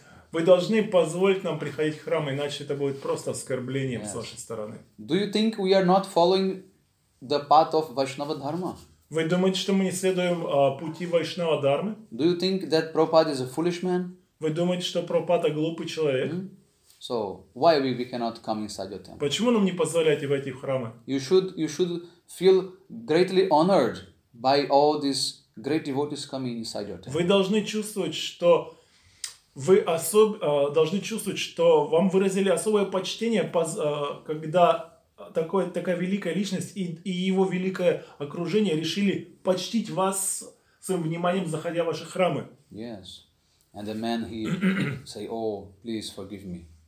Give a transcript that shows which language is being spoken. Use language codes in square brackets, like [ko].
[ru] Вы должны позволить нам приходить в храм, иначе это будет просто оскорблением с вашей стороны. [en] Do you think we are not following the path of Vaishnava Dharma? [ru] Вы думаете, что мы не следуем пути Вайшнава Дхармы? [en] Do you think that Prabhupada is a foolish man? [ru] Вы думаете, что Прабхупада глупый человек? [en] So why we cannot come inside your temple? [ru] Почему нам не позволяете войти в храмы? [en] You should feel greatly honored by all these great devotees coming inside your temple. [ru] Вы должны чувствовать, что вы должны чувствовать, что вам выразили особое почтение, когда такая великая личность и его великое окружение решили почтить вас своим вниманием, заходя в ваши храмы. [en] Yes. And the man he say, "Oh, please forgive me.